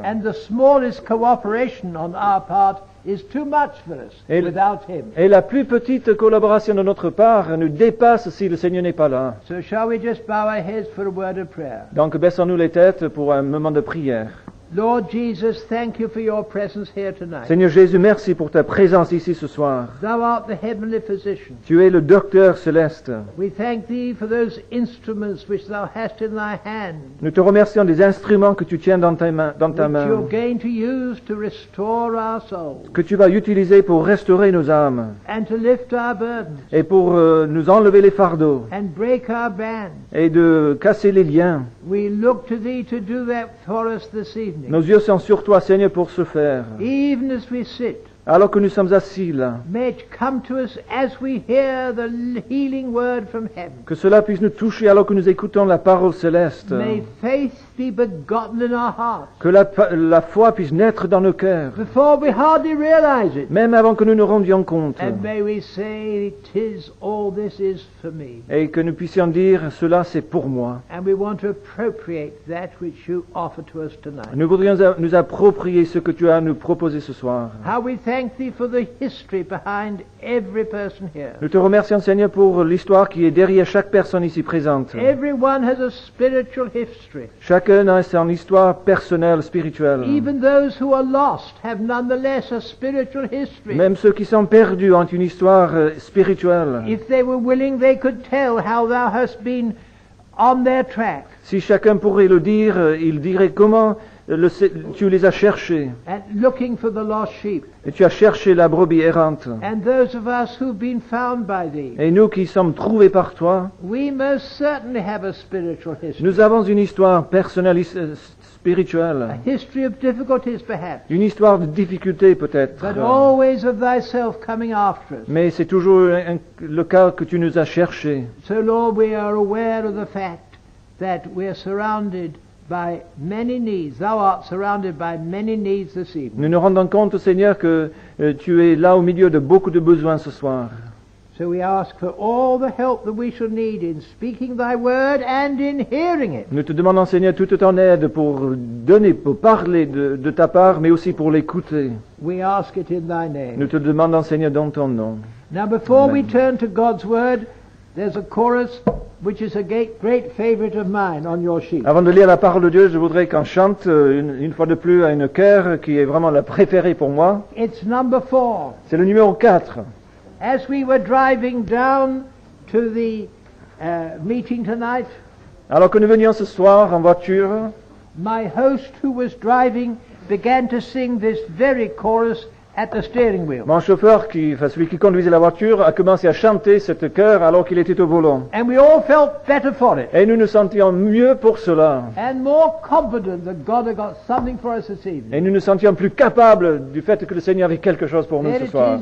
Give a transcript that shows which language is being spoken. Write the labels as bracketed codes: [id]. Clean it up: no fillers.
[en] And the smallest cooperation on our part is too much for us without Him. [fr] Et la plus petite collaboration de notre part nous dépasse si le Seigneur n'est pas là. [en] So shall we just bow our heads for a word of prayer? [fr] Donc baissons-nous les têtes pour un moment de prière. [en] Lord Jesus, thank you for your presence here tonight. [fr] Seigneur Jésus, merci pour ta présence ici ce soir. [en] Thou art the heavenly physician. [fr] Tu es le docteur céleste. [en] We thank thee for those instruments which thou hast in thy hand. [fr] Nous te remercions des instruments que tu tiens dans ta main. [en] You're going to use to restore our souls. [fr] Que tu vas utiliser pour restaurer nos âmes. [en] And to lift our burdens. [fr] Et pour nous enlever les fardeaux. [en] And break our bands. [fr] Et de casser les liens. [en] We look to thee to do that for us this evening. [fr] Nos yeux sont sur toi, Seigneur, pour ce faire. [en] Even as we sit, [fr] alors que nous sommes assis là, [en] may it come to us as we hear the healing word from heaven. [fr] Que cela puisse nous toucher alors que nous écoutons la parole céleste. [en] May faith be begotten in our hearts. [fr] Que la foi puisse naître dans nos cœurs. [en] Before we hardly realize it. [fr] Même avant que nous nous rendions compte. [en] And may we say, it is all this is for me. [fr] Et que nous puissions dire, cela c'est pour moi. [en] And we want to appropriate that which you offer to us tonight. [fr] Nous voudrions nous approprier ce que tu as à nous proposer ce soir. [en] How we thank thee for the history behind every person here. [fr] Nous te remercions, Seigneur, pour l'histoire qui est derrière chaque personne ici présente. [en] Everyone has a spiritual history. [fr] Chacun a son histoire personnelle, spirituelle. [en] Even those who are lost have nonetheless a spiritual history. [fr] Même ceux qui sont perdus ont une histoire spirituelle. [en] If they were willing, they could tell how thou hast been on their track. [fr] Si chacun pourrait le dire, il dirait comment tu les as cherchés. [en] And looking for the lost sheep. [fr] Et tu as cherché la brebis errante. [en] And those of us who've been found by thee. [fr] Et nous qui sommes trouvés par toi. [en] We most certainly have a spiritual history. [fr] Nous avons une histoire personnelle spirituelle. [en] A history of difficulties, perhaps. [fr] Une histoire de difficultés peut-être. [en] But always of thyself coming after us. [fr] Mais c'est toujours le cas que tu nous as cherchés. [en] So Lord, we are aware of the fact that we are surrounded by many needs. Thou art surrounded by many needs this evening. [fr] Nous nous rendons compte, Seigneur, que tu es là au milieu de beaucoup de besoins ce soir. [en] So we ask for all the help that we shall need in speaking thy word and in hearing it. [fr] Nous te demandons, Seigneur, toute ton aide pour donner, pour parler de ta part, mais aussi pour l'écouter. [en] We ask it in thy name. [fr] Nous te demandons, Seigneur, dans ton nom. [en] Now before Amen. We turn to God's word, there's a chorus which is a great favorite of mine on your sheet. [fr] Avant de lire la parole de Dieu, je voudrais qu'on chante une fois de plus à une chœur qui est vraiment la préférée pour moi. [en] It's number 4. [fr] C'est le numéro 4. [en] As we were driving down to the meeting tonight, [fr] alors que nous venions ce soir en voiture, [en] my host who was driving began to sing this very chorus at the steering wheel. [fr] Mon chauffeur, celui qui conduisait la voiture, a commencé à chanter cette chœur alors qu'il était au volant. [en] And we all felt better for it. [fr] Et nous nous sentions mieux pour cela. [en] And more confident that God had got something for us this evening. [fr] Et nous nous sentions plus capables du fait que le Seigneur avait quelque chose pour nous ce soir.